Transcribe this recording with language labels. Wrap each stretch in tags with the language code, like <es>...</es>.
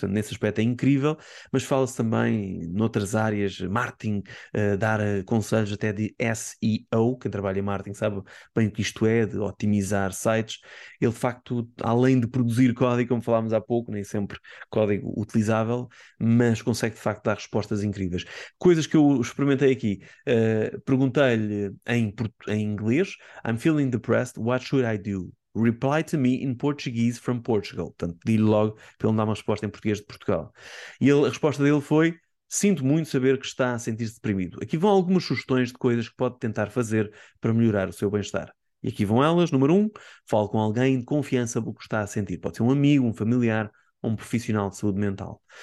<pt>Portanto, nesse aspecto é incrível, mas fala-se também noutras áreas, marketing, dar conselhos até de SEO, quem trabalha em marketing sabe bem o que isto é, de otimizar sites. Ele, de facto, além de produzir código, como falámos há pouco, nem sempre código utilizável, mas consegue, de facto, dar respostas incríveis. Coisas que eu experimentei aqui, perguntei-lhe em inglês:</pt> <en>I'm feeling depressed, what should I do? Reply to me in Portuguese from Portugal.</en> <pt>Portanto, digo logo para ele me dar uma resposta em português de Portugal. E a resposta dele foi: sinto muito saber que está a sentir-se deprimido. Aqui vão algumas sugestões de coisas que pode tentar fazer para melhorar o seu bem-estar. E aqui vão elas. Número 1, fale com alguém de confiança do que está a sentir. Pode ser um amigo, um familiar ou um profissional de saúde mental.</pt>